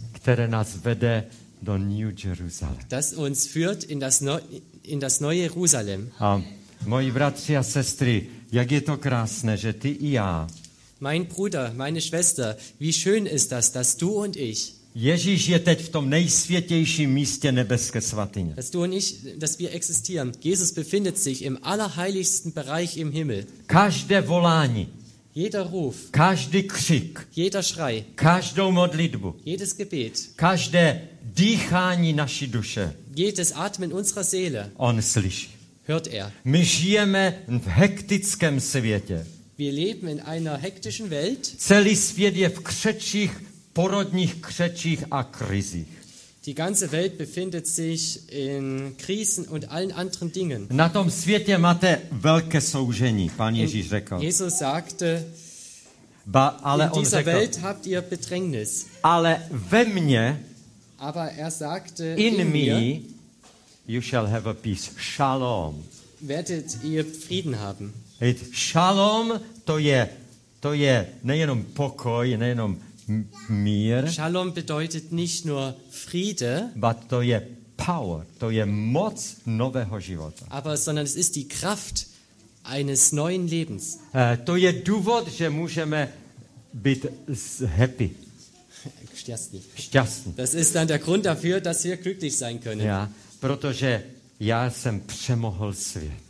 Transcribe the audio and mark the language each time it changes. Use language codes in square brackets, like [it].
[cs] které nás vede do New Jerusalem. [de] Das uns führt in das neue Jerusalem. [cs] A moji bratři a sestry, jak je to krásné, že ty i já. [de] Mein Bruder, meine Schwester, wie schön ist das, dass du und ich. [cs] Ježíš je teď v tom nejsvětějším místě nebeské svatyně. [de] Dass du und ich, dass wir existieren. Jesus befindet sich im allerheiligsten Bereich im Himmel. [cs] Každé volání. [de] Jeder Ruf. [cs] Každý křik. [de] Jeder Schrei. [cs] Každou modlitbu. [de] Jedes Gebet. [cs] Každé dýchání naší duše. [de] Jedes Atmen unserer Seele. [cs] On slyší. [de] Hört er. [cs] My žijeme v hektickém světě. [de] Wir leben in einer hektischen Welt. [cs] Celý svět je v křečích, porodních křečích a krizích. [de] Die ganze Welt befindet sich in Krisen und allen anderen Dingen. [cs] Na tom světě máte velké soužení, Pán Ježíš řekl. [de] Jesus sagte, [cs] ale [de] in dieser Welt habt ihr Bedrängnis. [cs] Ale ve mně, [de] aber er sagte, in mir, [en] you shall have a peace. [he] Shalom. [de] Werdet ihr Frieden haben. [cs] Shalom, to je nejenom pokoj, nejenom mír. [de] Shalom bedeutet nicht nur Friede, [cs] but to je power, to je moc nového života. [de] Aber sondern es ist die Kraft eines neuen Lebens. [cs] To je důvod, že můžeme být happy. Šťastný. [de] Das ist dann der Grund dafür, dass wir glücklich sein können. [cs] Ja, protože já jsem přemohl svět.